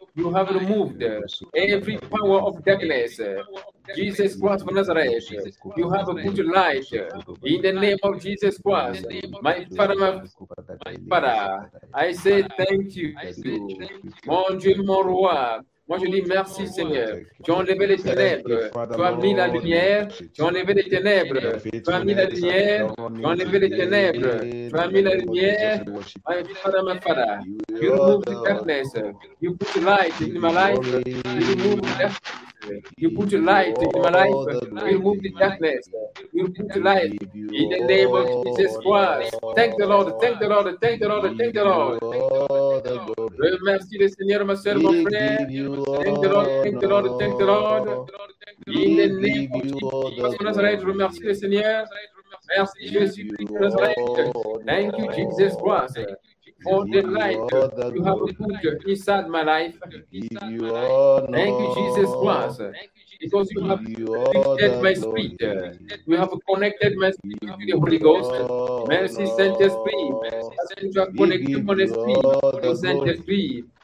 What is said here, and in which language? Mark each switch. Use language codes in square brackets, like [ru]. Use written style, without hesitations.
[en] You have removed every power of darkness. Jesus Christ for Nazareth, you have put light. In the name of Jesus Christ, my Father, I say thank you. [fr] Mon Dieu, mon roi. Moi, je dis merci, Seigneur. Tu as enlevé les ténèbres. Tu as mis la lumière. Tu as enlevé les ténèbres. Tu as mis la lumière. Tu as enlevé les ténèbres. Tu as mis la lumière. [en] My Father, my Father. You remove the darkness. You put light in my life. You remove the darkness. You put light in my life. You remove the darkness. You put light in the name of Jesus Christ. Thank the Lord. Thank the Lord. Thank the Lord. Thank the Lord. [fr] Je remercie le Seigneur, ma soeur, mon frère. [en] Thank the Lord, thank the Lord, thank the Lord. In the name of Jesus Christ, [fr] je remercie le Seigneur. Merci Jésus. [en] Thank you, Jesus Christ. For the light you have put inside my life. Thank you, Jesus Christ. Because you have lifted my spirit. You have connected my spirit to the Holy Ghost. [fr] Merci, Saint-Esprit. Merci, tu as connecté mon esprit au Saint-Esprit.